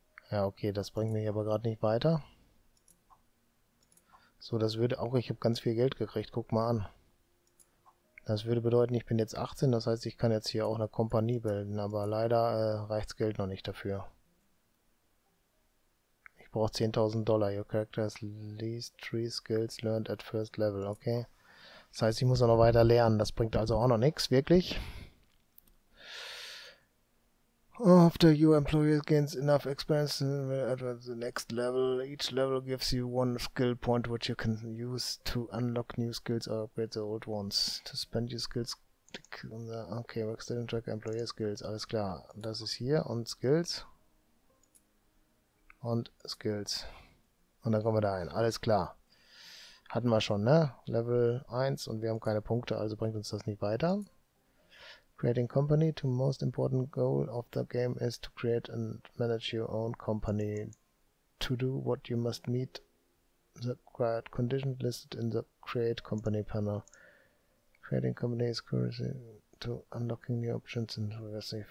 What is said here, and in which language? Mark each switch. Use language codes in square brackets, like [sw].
[de] Ja, okay, das bringt mich aber gerade nicht weiter. So, das würde auch, ich habe ganz viel Geld gekriegt. Guck mal an. Das würde bedeuten, ich bin jetzt 18, das heißt, ich kann jetzt hier auch eine Kompanie bilden, aber leider reicht's Geld noch nicht dafür. Ich brauche $10,000. [en] Your character has least 3 skills learned at first level. Okay. [de] Das heißt, ich muss auch noch weiter lernen. Das bringt also auch noch nichts, wirklich. [en] After your employer gains enough experience at the next level, each level gives you one skill point which you can use to unlock new skills or upgrade the old ones. To spend your skills, click on the... Okay, Workstation Tracker, Employer Skills, [de] alles klar. Das ist hier und Skills. Und Skills. Und dann kommen wir da rein, alles klar. Hatten wir schon, ne? Level 1 und wir haben keine Punkte, also bringt uns das nicht weiter. [en] Creating company, the most important goal of the game is to create and manage your own company. To do what you must meet the required conditions listed in the create company panel. Creating company is crucial to unlocking new options and progressive.